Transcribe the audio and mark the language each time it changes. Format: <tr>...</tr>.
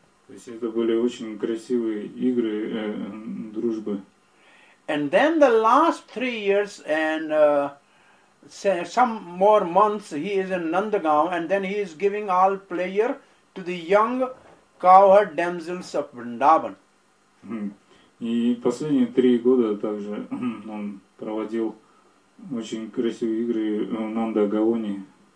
<ru>То есть это были очень красивые игры дружбы.</ru> <en>And then the last 3 years and some more months he is in Nandagaon, and then he is giving all pleasure to the young cowherd damsels of Vrindavan.</en> <ru>И последние 3 года также он проводил очень красивые игры в Нандагаоне.</ru>